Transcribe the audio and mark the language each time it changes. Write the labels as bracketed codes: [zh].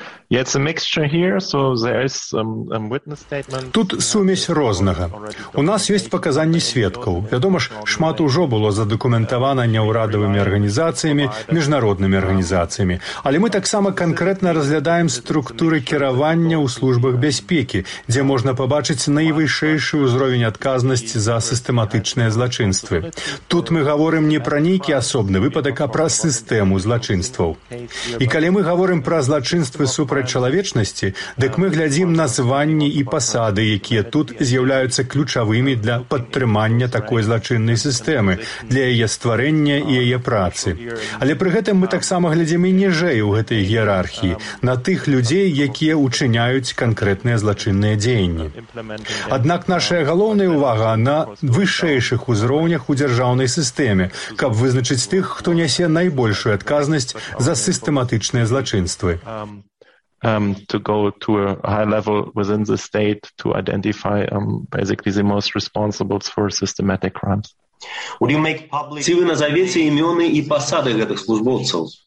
[en] Yeah, it's a mixture here, so there is witness statement. [be] Тут сумесь рознага. У нас ёсць паказанні сведкаў. Вядома ж, шмат ужо было задакументавана неўрадавымі арганізацыямі, міжнароднымі арганізацыямі. Але мы таксама канкрэтна разглядаем структуры кіравання ў службах бяспекі, дзе можна пабачыць найвышэйшы ўзровень адказнасці за сістэматычныя злачынствы. Тут мы гаворым не пра нейкі асобны выпадак, а пра сістэму злачынстваў. І калі мы гаворым пра злачынствы супрацоўнікаў, пра чалавечнасці, дык мы глядзім названні і пасады, якія тут з'яўляюцца ключавымі для падтрымання такой злачыннай сістэмы, для яе стварэння і яе працы. Але пры гэтым мы таксама глядзім і ніжэй у гэтай іерархіі, на тых людзей, якія ўчыняюць канкрэтныя злачынныя дзеянні. Аднак нашая галоўная ўвага на вышэйшых узроўнях у дзяржаўнай сістэме, каб вызначыць тых, хто нясе найбольшую адказнасць за сістэматычныя злачынствы. [en] To go to a high level within the state to identify basically the most responsible for systematic crimes. Would you make public? [be] Ці вы назавеце імёны і пасады гэтых службоўцаў?